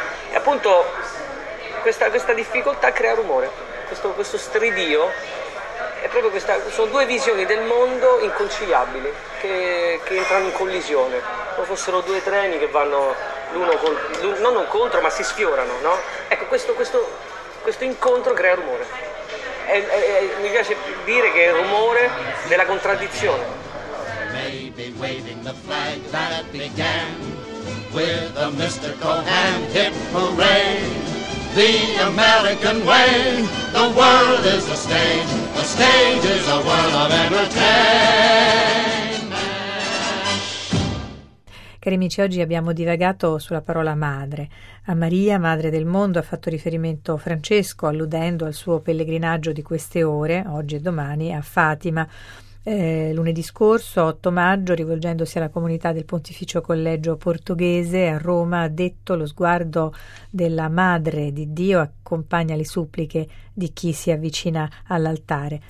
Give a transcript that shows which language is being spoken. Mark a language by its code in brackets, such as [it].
[it] E appunto questa difficoltà crea rumore, questo stridio è proprio questa, sono due visioni del mondo inconciliabili che entrano in collisione, come fossero due treni che vanno l'uno contro, ma si sfiorano, no? Ecco, questo incontro crea rumore. Mi piace dire che è il rumore della contraddizione. [en] Maybe waving the flag that began with a mystical hand, hip hooray, the American way. The world is a stage, the stage is a world of entertainment. [it] Cari amici, oggi abbiamo divagato sulla parola madre. A Maria, madre del mondo, ha fatto riferimento Francesco, alludendo al suo pellegrinaggio di queste ore, oggi e domani, a Fatima. Lunedì scorso, 8 maggio, rivolgendosi alla comunità del Pontificio Collegio Portoghese a Roma, ha detto: lo sguardo della madre di Dio accompagna le suppliche di chi si avvicina all'altare.